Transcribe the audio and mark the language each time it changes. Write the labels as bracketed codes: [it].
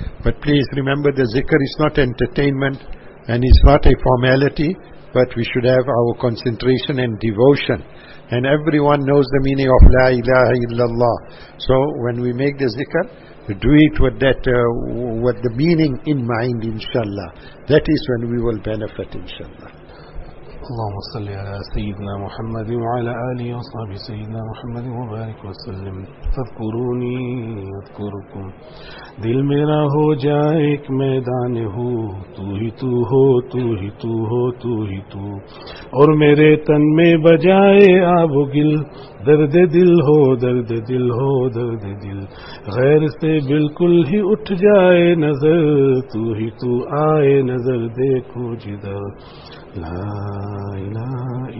[en] But please remember, the zikr is not entertainment and it's not a formality, but we should have our concentration and devotion. And everyone knows the meaning of La ilaha illallah. So when we make the zikr, do it with that, with the meaning in mind inshallah. That is when we will benefit inshallah. [ar] اللهم صل على سيدنا محمد وعلى آله وصحبه سيدنا محمد وبارك وسلم. تذكروني أذكركم. [ur] دل میرا ہو جائے ایک میدان ہو, تو ہی تو ہو, تو ہی تو ہو, تو ہی تو. اور میرے تن میں بجائے آب و گل, درد دل ہو, درد دل ہو, درد دل. غیر سے بالکل ہی اٹھ جائے نظر, تو ہی تو آئے نظر, دیکھو جدر. [ar] La ilaha